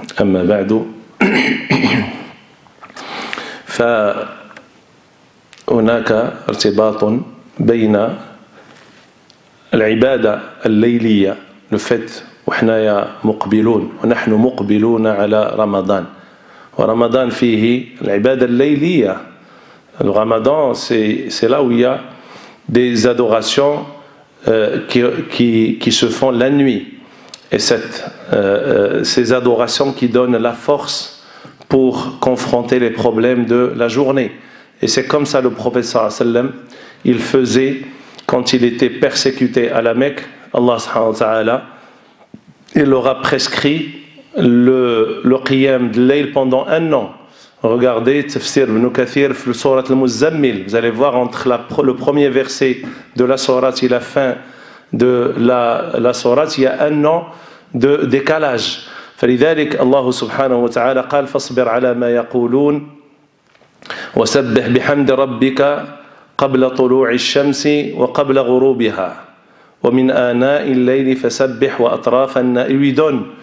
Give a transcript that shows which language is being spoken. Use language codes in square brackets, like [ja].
[ar] أما بعد، فهناك ارتباط بين العبادة الليلية لفت وإحنا يا مقبلون ونحن مقبلون على رمضان. ورمضان فيه العبادة الليلية. رمضان [fr] c'est là où il y a des adorations qui se font la nuit. Et ces adorations qui donnent la force pour confronter les problèmes de la journée. Et c'est comme ça le professeur sallam, il faisait quand il était persécuté à la Mecque, Allah subhanahu wa ta'ala, il leur a prescrit le qiyam de l'ayl pendant un an. Regardez tafsir Ibn Kathir le surat al-Muzzammil, vous allez voir entre le premier verset de la surat et la fin de la surat, il y a un an de décalage. [ar] فلذلك الله سبحانه وتعالى قال فاصبر على ما يقولون وسبح بحمد ربك قبل طلوع الشمس وقبل غروبها ومن آناء الليل فسبح وأطراف النائبين.